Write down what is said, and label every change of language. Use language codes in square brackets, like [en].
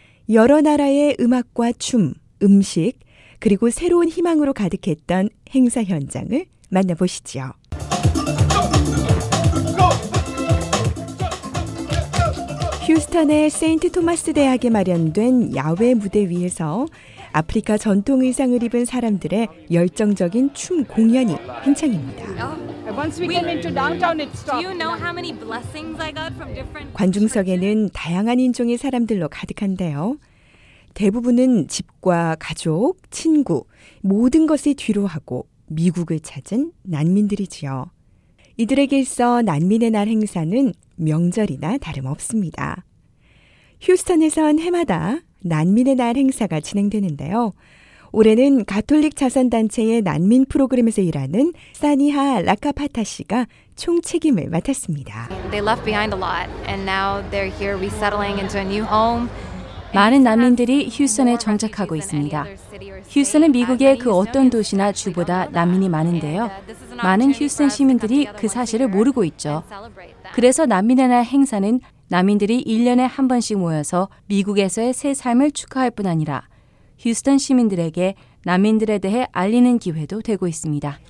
[ko] 여러 나라의 음악과 춤, 음식, 그리고 새로운 희망으로 가득했던 행사 현장을 만나보시죠. 휴스턴의 세인트 토마스 대학에 마련된 야외 무대 위에서 아프리카 전통 의상을 입은 사람들의 열정적인 춤 공연이 한창입니다. [en] Once we came into downtown, it stopped. Do you know how many blessings I got from different? [ko] 관중석에는 다양한 인종의 사람들로 가득한데요. 대부분은 집과 가족, 친구, 모든 것을 뒤로하고 미국을 찾은 난민들이지요. 이들에게 있어 난민의 날 행사는 명절이나 다름없습니다. 휴스턴에선 해마다 난민의 날 행사가 진행되는데요. 올해는 가톨릭 자선단체의 난민 프로그램에서 일하는 사니하 라카파타 씨가 총책임을 맡았습니다. [en] They left behind a lot and now they're here resettling into a new home. [ko] 많은 난민들이 휴스턴에 정착하고 있습니다. 휴스턴은 미국의 그 어떤 도시나 주보다 난민이 많은데요. 많은 휴스턴 시민들이 그 사실을 모르고 있죠. 그래서 난민의 날 행사는 난민들이 1년에 한 번씩 모여서 미국에서의 새 삶을 축하할 뿐 아니라 휴스턴 시민들에게 난민들에 대해 알리는 기회도 되고 있습니다.